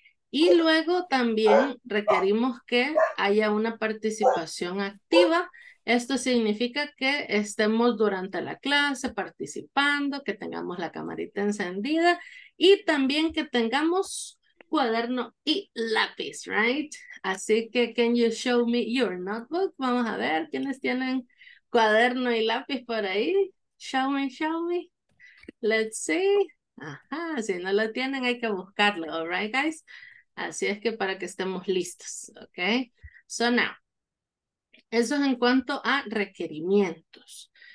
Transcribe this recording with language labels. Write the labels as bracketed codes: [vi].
[es] Y luego también requerimos que haya una participación activa. Esto significa que estemos durante la clase participando, que tengamos la camarita encendida y también que tengamos cuaderno y lápiz, right? Así que, [en] can you show me your notebook? [es] Vamos a ver quiénes tienen cuaderno y lápiz por ahí. [en] Show me, show me. Let's see. [es] Ajá, si no lo tienen, hay que buscarlo, [en] all right, guys? [es] Así es que para que estemos listos, ¿ok? So now, eso es en cuanto a requerimientos.